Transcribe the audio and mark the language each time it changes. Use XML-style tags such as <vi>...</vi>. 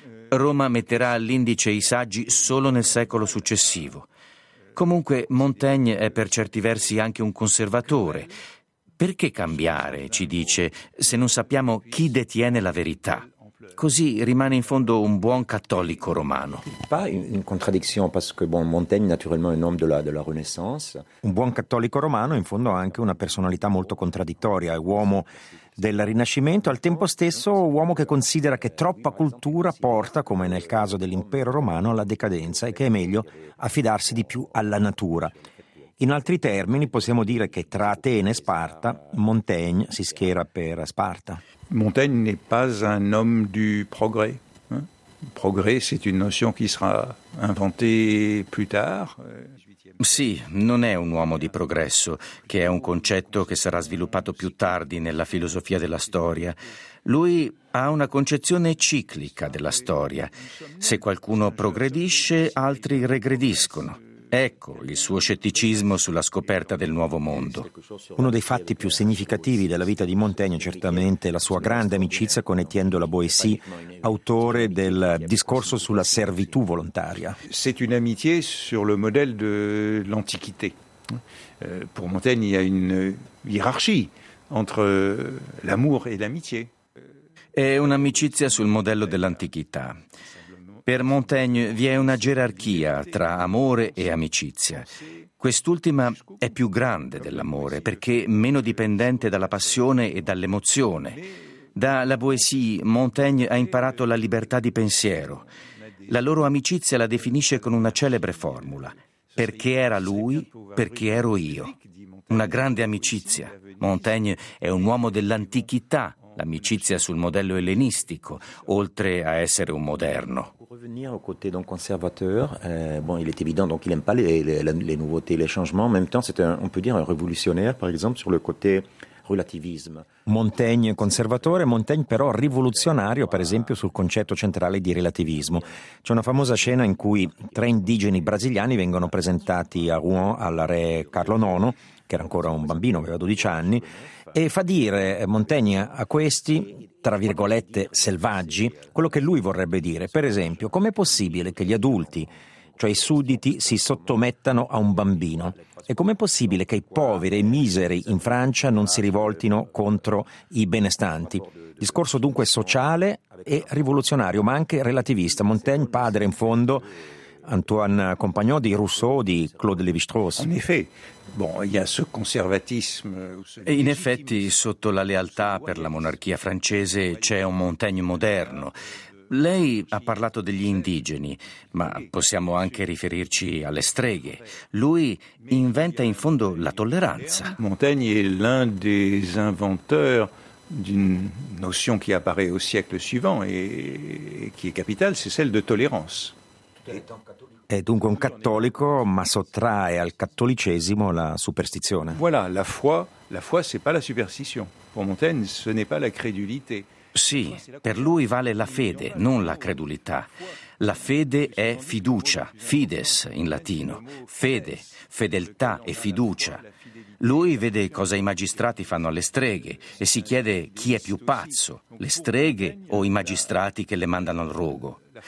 <it>Roma metterà all'indice i saggi solo nel secolo successivo. Comunque Montaigne è per certi versi anche un conservatore. Perché cambiare, ci dice, se non sappiamo chi detiene la verità? Così rimane in fondo un buon cattolico romano.</it> <fr>Pas une contradiction parce que bon Montaigne naturellement un homme de la Renaissance.</fr> <it>Un buon cattolico romano in fondo ha anche una personalità molto contraddittoria, è uomo del Rinascimento, al tempo stesso uomo che considera che troppa cultura porta, come nel caso dell'Impero Romano, alla decadenza e che è meglio affidarsi di più alla natura. In altri termini possiamo dire che tra Atene e Sparta Montaigne si schiera per Sparta.</it> <fr>Montaigne n'est pas un homme du progrès. Progrès, c'est une notion qui sera inventée plus tard.</fr> <it>Sì, non è un uomo di progresso, che è un concetto che sarà sviluppato più tardi nella filosofia della storia. Lui ha una concezione ciclica della storia. Se qualcuno progredisce, altri regrediscono. Ecco il suo scetticismo sulla scoperta del nuovo mondo. Uno dei fatti più significativi della vita di Montaigne è certamente la sua grande amicizia con Étienne de la Boétie, autore del discorso sulla servitù volontaria.</it> <fr>C'est une amitié sur le modèle de l'Antiquité. Pour Montaigne, il y a une hiérarchie entre l'amour et l'amitié.</fr> <it>È un'amicizia sul modello dell'antichità. Per Montaigne vi è una gerarchia tra amore e amicizia. Quest'ultima è più grande dell'amore perché meno dipendente dalla passione e dall'emozione. Da La Boétie Montaigne ha imparato la libertà di pensiero. La loro amicizia la definisce con una celebre formula: perché era lui, perché ero io. Una grande amicizia. Montaigne è un uomo dell'antichità, l'amicizia sul modello ellenistico, oltre a essere un moderno.</it> <fr>Revenir au côté donc conservateur, bon, il est évident donc il aime pas les nouveautés, les changements. En même temps, c'est un, on peut dire un révolutionnaire, par exemple, sur le côté relativisme.</fr> <it>Montaigne conservatore, Montaigne però rivoluzionario, per esempio, sul concetto centrale di relativismo. C'è una famosa scena in cui tre indigeni brasiliani vengono presentati a Rouen al re Carlo IX, che era ancora un bambino, aveva 12 anni, e fa dire Montaigne a questi, tra virgolette, selvaggi, quello che lui vorrebbe dire. Per esempio, com'è possibile che gli adulti, cioè i sudditi, si sottomettano a un bambino? E com'è possibile che i poveri e i miseri in Francia non si rivoltino contro i benestanti? Discorso dunque sociale e rivoluzionario, ma anche relativista. Montaigne, padre in fondo, Antoine Compagnon, di Rousseau, di Claude Lévi-Strauss. In effetti,</it> <fr>bon, il y a ce conservatisme.</fr> <it>E in effetti, sotto la lealtà per la monarchia francese c'è un Montaigne moderno. Lei ha parlato degli indigeni, ma possiamo anche riferirci alle streghe. Lui inventa in fondo la tolleranza.</it> <fr>Montaigne è l'un des inventeurs d'une notion qui apparaît au siècle suivant et qui est capitale, c'est celle de tolérance.</fr> <it>È dunque un cattolico, ma sottrae al cattolicesimo la superstizione.</it> <fr>Voilà, la foi c'est pas la superstition. Pour Montaigne, ce n'est pas la crédulité.</fr> <it>Sì, per lui vale la fede, non la credulità. La fede è fiducia, fides in latino. Fede, fedeltà e fiducia. Lui vede cosa i magistrati fanno alle streghe e si chiede chi è più pazzo, le streghe o i magistrati che le mandano al rogo.</it>